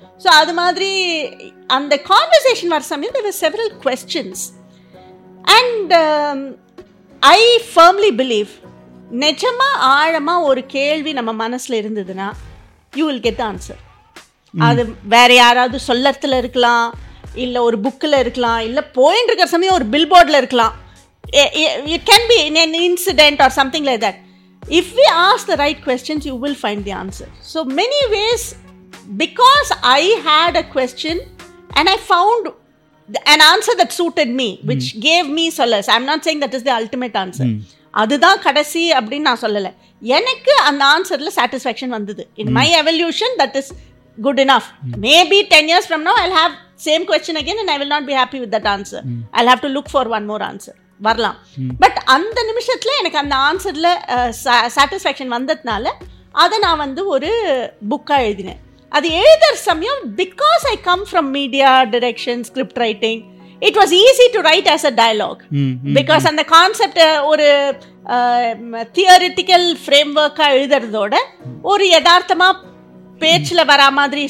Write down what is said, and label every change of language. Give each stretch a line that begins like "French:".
English: so
Tamil: அது மாதிரி அந்த
English: conversation வர சமயம் there are several questions and I firmly believe
Tamil: நிஜமாக ஆழமாக ஒரு கேள்வி நம்ம மனசில் இருந்ததுன்னா
English: You will get the answer.
Tamil: அது வேறு யாராவது சொல்லத்தில் இருக்கலாம், இல்லை ஒரு புக்கில் இருக்கலாம், இல்லை போயின்னு இருக்கிற சமயம் ஒரு பில் போர்டில் இருக்கலாம்.
English: It can be in an incident or something like that. If we ask the right questions, you will find the answer. So many ways, because I had a question and I found an answer that suited me, which gave me solace. I'm not saying that is the ultimate answer.
Tamil: அதுதான் கடைசி அப்படின்னு நான் சொல்லலை. எனக்கு அந்த ஆன்சரில் satisfaction வந்தது.
English: In my evolution, that is good enough. Maybe 10 years from now, I'll have same question again and I will not be happy with that answer. I'll have to look for one more answer.
Tamil: வரலாம். But அந்த நிமிஷத்தில் எனக்கு அந்த ஆன்சரில் satisfaction வந்ததுனால அதை நான் வந்து ஒரு புக்காக எழுதினேன். அது எழுதுற சமயம்
English: because I come from media direction script writing it was easy to write as a dialogue because
Tamil: அந்த கான்செப்ட் ஒரு தியரிட்டிக்கல் ஃப்ரேம் ஒர்க்காக எழுதுறதோட ஒரு யதார்த்தமாக பேச்சில் வர மாதிரி.